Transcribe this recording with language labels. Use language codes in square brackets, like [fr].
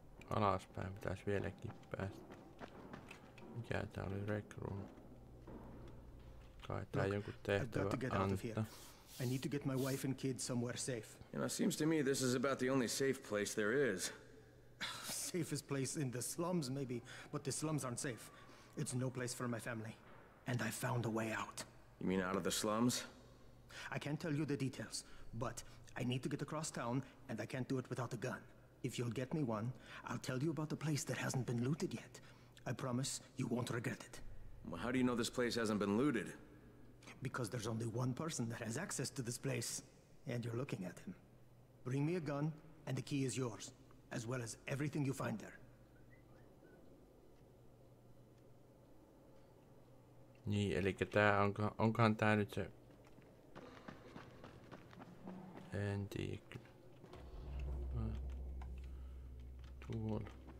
[fi] Alaspäin pitäisi vieläkin päästä. Mikä tää oli rec room? Kai tää on jonkun tehtävä antaa. [en] I need to get my wife and kids somewhere safe. You know, seems to me this is about the only safe place there is. Safest place in the slums maybe, but the slums aren't safe. It's no place for my family. And I found a way out. You mean out of the slums? I can't tell you the details, but I need to get across town and I can't do it without a gun. If you'll get me one, I'll tell you about the place that hasn't been looted yet. I promise you won't regret it. Well, how do you know this place hasn't been looted? Because there's only one person that has access to this place, and you're looking at him. Bring me a gun, and the key is yours, as well as everything you find there. [fi] Niin, elikkä tää onkohan tää nyt se... En tiedä. Tuolla.